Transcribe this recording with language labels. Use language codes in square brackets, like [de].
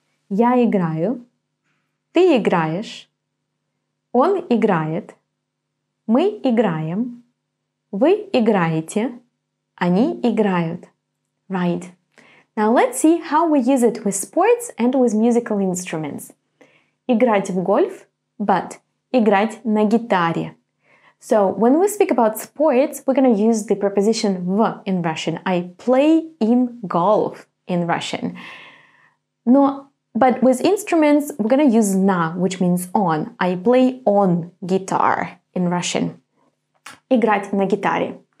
[ru] Я играю, ты играешь, Он играет. Мы играем. Вы играете. Они играют. [en] Right. Now let's see how we use it with sports and with musical instruments. [ru] Играть в гольф, [en] but [ru] играть на гитаре. [en] So when we speak about sports, we're going to use the preposition в in Russian. I play in golf in Russian. [ru] Но, [en] but with instruments, we're going to use на, which means on. I play on guitar in Russian. [ru] Играть на гитаре.